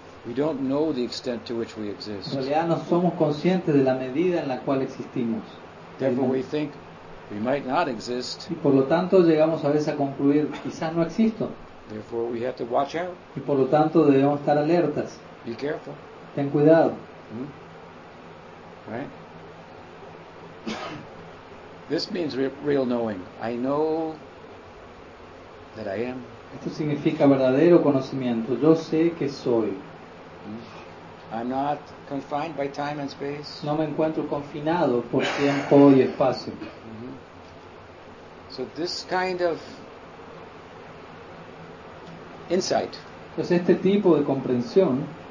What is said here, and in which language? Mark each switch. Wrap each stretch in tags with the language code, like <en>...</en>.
<en>We don't know the extent to which we exist.</en> <es>En realidad no somos conscientes de la medida en la cual existimos.</es> <en>Therefore, we think we might not exist.</en> <es>Y por lo tanto llegamos a veces a concluir, quizás no existo.</es> <en>Therefore, we have to watch out.</en> <es>Y por lo tanto debemos estar alertas.</es> <en>Be careful.</en> <es>Ten cuidado.</es> <en>Right? This means real knowing. I know that I am.</en> <es>Esto significa verdadero conocimiento. Yo sé que soy.</es> <en>I'm not confined by time and space.</en> <es>No me encuentro confinado por tiempo y espacio.</es> <en>So this kind of insight.</en> <es>Pues este tipo de comprensión</es>